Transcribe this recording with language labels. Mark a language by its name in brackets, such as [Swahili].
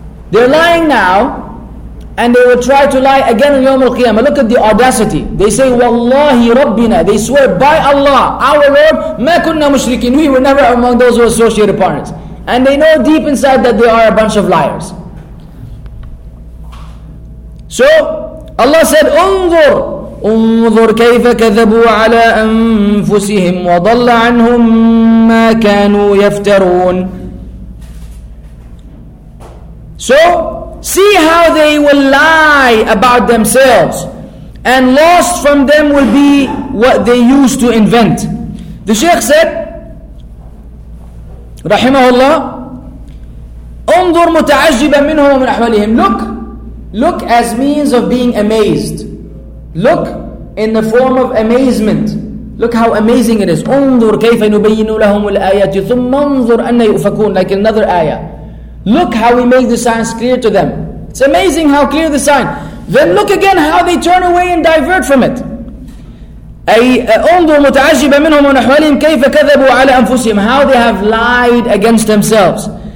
[English] They're lying now, and they will try to lie again on Yawm al-Qiyamah. Look at the audacity. They say, [Arabic] Wallahi Rabbina. [English] They swear, by Allah, our Lord, [Arabic] مَا كُنَّا مُشْرِكِينَ. [English] We were never among those who associated upon us. And they know deep inside that they are a bunch of liars. So, Allah said, [Arabic] انظر, انظر كيف كذبوا على أنفسهم وضل عنهم ما كانوا يفترون. [English] So, see how they will lie about themselves, and lost from them will be what they used to invent. The Shaykh said, Rahimahullah, [Arabic] انظر متعجبا منهم ومن أحوالهم. [English] Look as means of being amazed. Look in the form of amazement. Look how amazing it is. [Arabic] انظر كيف نبين لهم الآيات ثم انظر أن يؤفكون. [English] Like another ayah. Look how we make the signs clear to them. It's amazing how clear the sign. Then look again how they turn away and divert from it. [Arabic] أَنْظُرْ مُتَعَجِّبًا مِنْهُمْ وَنَحْوَلِهِمْ كَيْفَ كَذَبُوا عَلَى أَنفُسِهِمْ. [English] How they have lied against themselves.